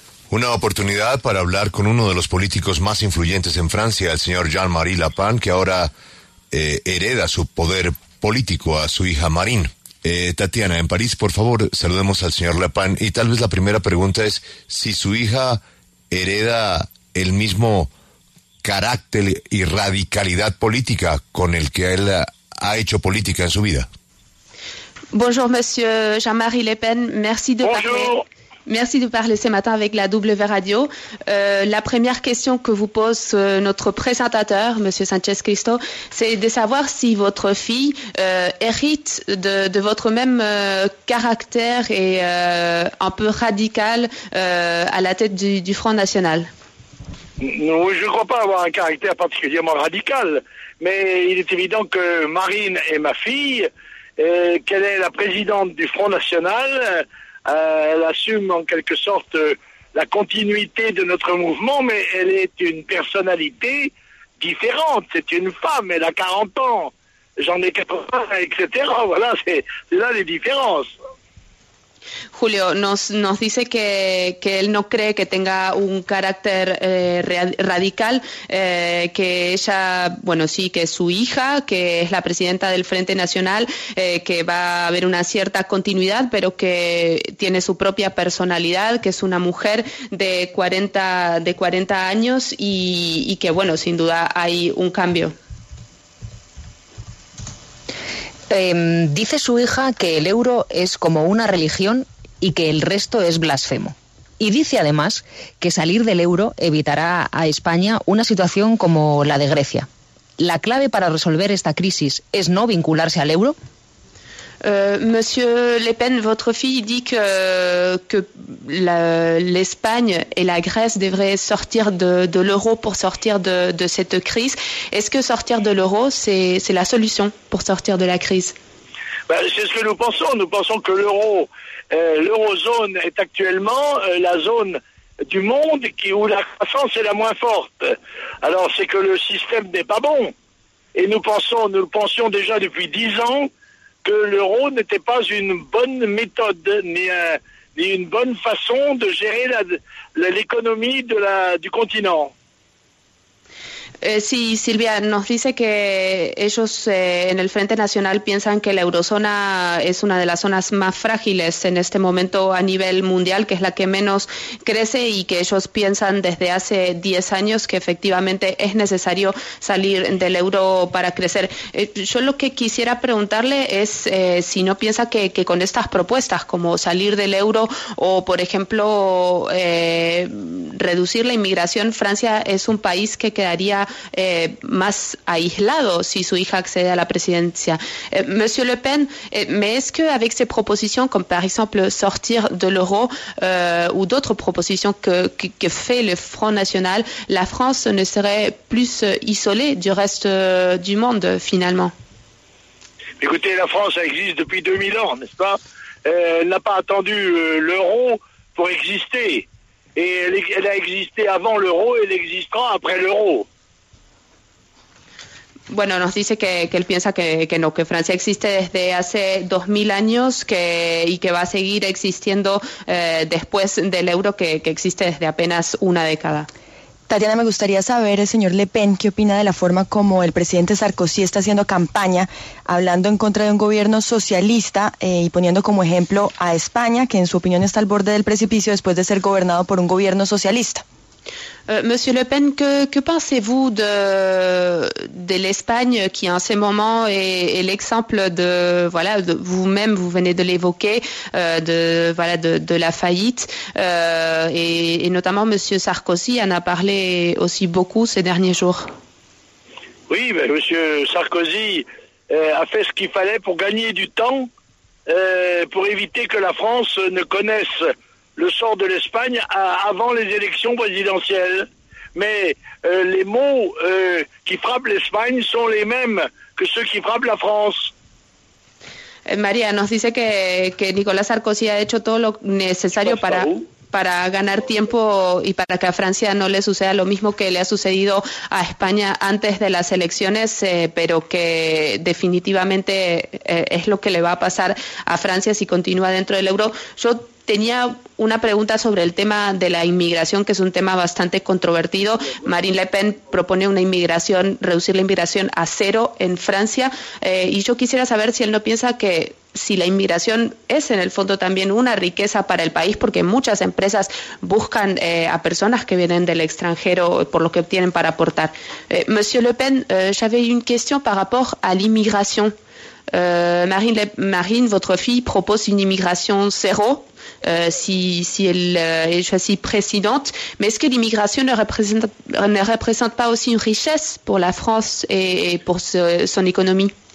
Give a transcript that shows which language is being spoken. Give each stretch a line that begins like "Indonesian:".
Spanish: Una oportunidad para hablar con uno de los políticos más influyentes en Francia, el señor Jean-Marie Le Pen, que ahora hereda su poder político a su hija Marine. Tatiana, en París, por favor, saludemos al señor Le Pen. Y tal vez la primera pregunta es si su hija hereda el mismo carácter y radicalidad política con el que él ha hecho política en su vida.
French: Bonjour, monsieur Jean-Marie Le Pen. Merci de parler. Merci de parler ce matin avec la W Radio. La première question que vous pose notre présentateur, Monsieur Sanchez Cristo, c'est de savoir si votre fille hérite de votre même caractère et un peu radical à la tête du Front National. Oui, je ne crois pas avoir un caractère particulièrement radical, mais il est évident que Marine est ma fille, qu'elle est la présidente du Front National. Elle assume en quelque sorte la continuité de notre mouvement, mais elle est une personnalité différente. C'est une femme, elle a 40 ans, j'en ai 80, etc. Voilà, c'est là les différences.
Spanish: Julio, nos dice que él no cree que tenga un carácter radical, que ella, bueno, sí, que es su hija, que es la presidenta del Frente Nacional, que va a haber una cierta continuidad, pero que tiene su propia personalidad, que es una mujer de 40 años y que, bueno, sin duda hay un cambio. Dice su hija que el euro es como una religión y que el resto es blasfemo. Y dice además que salir del euro evitará a España una situación como la de Grecia. ¿La clave para resolver esta crisis es no vincularse al euro?
French: Monsieur Le Pen, votre fille dit que l'Espagne et la Grèce devraient sortir de l'euro pour sortir de cette crise. Est-ce que sortir de l'euro, c'est la solution pour sortir de la crise? C'est ce que nous pensons. Nous pensons que l'eurozone est actuellement la zone du monde où la croissance est la moins forte. Alors c'est que le système n'est pas bon. Et nous le pensions déjà depuis 10 ans, que l'euro n'était pas une bonne méthode ni une bonne façon de gérer l'économie du continent.
Spanish: Sí, Silvia, nos dice que ellos en el Frente Nacional piensan que la eurozona es una de las zonas más frágiles en este momento a nivel mundial, que es la que menos crece, y que ellos piensan desde hace 10 años que efectivamente es necesario salir del euro para crecer. Yo lo que quisiera preguntarle es si no piensa que con estas propuestas como salir del euro o, por ejemplo, reducir la inmigración, Francia es un país que quedaría más aislado si su hija accede a la presidencia.
French: Monsieur Le Pen, ¿mais est-ce que avec ses propositions, comme par exemple sortir de l'euro ou d'autres propositions que fait le Front National, la France ne serait plus isolée du reste du monde finalement? Écoutez, la France existe depuis 2000 ans, n'est-ce pas ? Elle n'a pas attendu l'euro pour exister. Et elle a existé avant l'euro et elle existera après l'euro.
Spanish: Bueno, nos dice que él piensa que no, que Francia existe desde hace 2000 años y que va a seguir existiendo después del euro que existe desde apenas una década. Tatiana, me gustaría saber, señor Le Pen, ¿qué opina de la forma como el presidente Sarkozy está haciendo campaña, hablando en contra de un gobierno socialista y poniendo como ejemplo a España, que en su opinión está al borde del precipicio después de ser gobernado por un gobierno socialista?
French: Monsieur Le Pen, que pensez-vous de l'Espagne qui en ce moment est l'exemple de, voilà, de vous-même, vous venez de l'évoquer, de la faillite et notamment Monsieur Sarkozy en a parlé aussi beaucoup ces derniers jours. Oui, ben, Monsieur Sarkozy a fait ce qu'il fallait pour gagner du temps pour éviter que la France ne connaisse le sort de l'Espagne avant les élections présidentielles. Mais les mots qui frappent l'Espagne sont les mêmes que ceux qui frappent la France.
Spanish: María nos dice que Nicolás Sarkozy a hecho todo lo necesario para ganar tiempo y para que a Francia no le suceda lo mismo que le ha sucedido a España antes de las elecciones, pero que definitivamente es lo que le va a pasar a Francia si continúa dentro del euro. Yo tenía una pregunta sobre el tema de la inmigración, que es un tema bastante controvertido. Marine Le Pen propone una inmigración, reducir la inmigración a cero en Francia. Y yo quisiera saber si él no piensa que si la inmigración es en el fondo también una riqueza para el país, porque muchas empresas buscan a personas que vienen del extranjero por lo que obtienen para aportar.
French: Monsieur Le Pen, j'avais une question par rapport à l'immigration. Marine, votre fille propose une immigration zéro si elle est choisie présidente. Mais est-ce que l'immigration ne représente pas aussi une richesse pour la France et pour son économie?